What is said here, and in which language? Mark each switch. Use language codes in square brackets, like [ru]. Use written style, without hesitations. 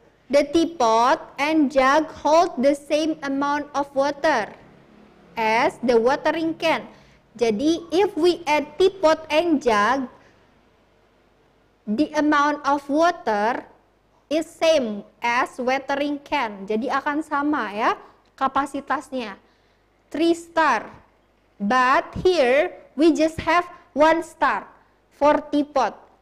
[en] The teapot and jug hold the same amount of water as the watering can. Jadi, if we add teapot and jug, the amount of water is same as watering can. [id] Jadi, akan sama ya kapasitasnya. [en] 3 star. But here we just have 1 star for teapot.